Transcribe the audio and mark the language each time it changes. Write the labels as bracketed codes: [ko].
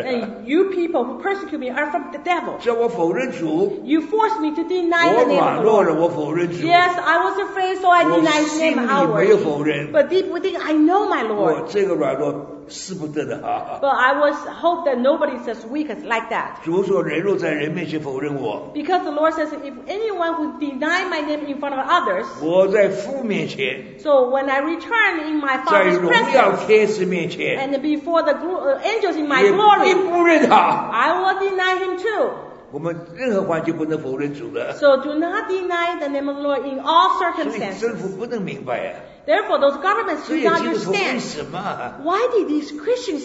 [en] And you people who persecute me are from the devil. [zh] 叫我否认主。 [en] You force me to deny the name of the Lord. [zh] 我软弱了，我否认主。 [en] Yes, I was afraid, so I denied the name outwardly. [zh] 我心里没有否认。 [en] But deep within, I know my Lord. [zh] 我这个软弱是不得的哈。 [en] But I was hope that nobody is as weak as like that. [zh] 主说人若在人面前否认我。 [en] Because the Lord says if anyone who deny my name in front of others. [zh] 我在父面前。 [en] So when I return in my Father's presence. [zh] 在荣耀天使面前。 [en] And before the angels in my glory. [zh] 也不认他。 [en] I will deny him too. [zh] 我们任何环境不能否认主的。 [en] So do not deny the name of the Lord in all circumstances. [zh] 所以政府不能明白啊。 [en] Therefore, those governments do not understand. Why did these Christians?